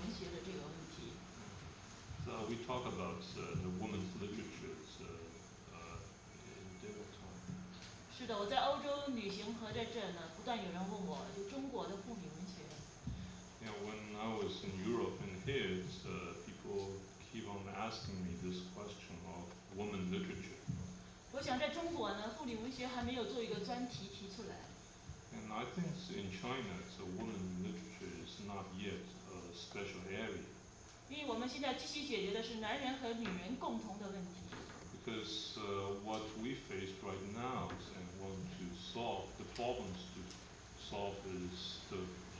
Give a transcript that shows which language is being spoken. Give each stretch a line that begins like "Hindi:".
English: So we talk about the woman's literature in different time.
Chinese: 是的，我在欧洲旅行和在这呢，不断有人问我，就中国的妇女文学。
English: Yeah, when I was in Europe and here, people keep on asking me this question of woman literature.
Chinese: 我想在中国呢，妇女文学还没有做一个专题提出来。
English: And I think in China, so woman literature is not yet a special area. Because what we face right now and want to solve, the problems to solve is the